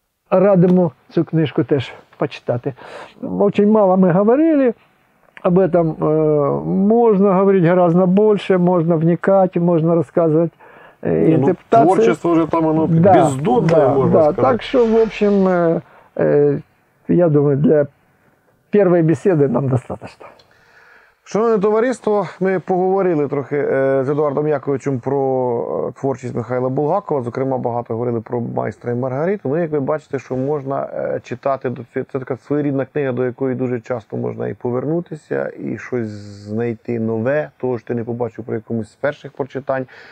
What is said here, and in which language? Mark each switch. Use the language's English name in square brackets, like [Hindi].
[Ukrainian] Радимо цю книжку теж почитати. [Russian] Очень мало ми говорили об этом. [Ukrainian] Можна говорити гораздо більше, можна вникати, можна розказувати. [Russian] Творчество уже там оно бездонное, можно сказать. Так что, в общем, я думаю, для первой беседы нам достаточно. [Ukrainian] Шановне товариство, ми поговорили трохи з Едуардом Яковичем про творчість Михайла Булгакова. Зокрема, багато говорили про «Майстра і Маргариту». Ну, як ви бачите, що можна читати, це така своєрідна книга, до якої дуже часто можна і повернутися, і щось знайти нове, того, що ти не побачив при якомусь з перших прочитань.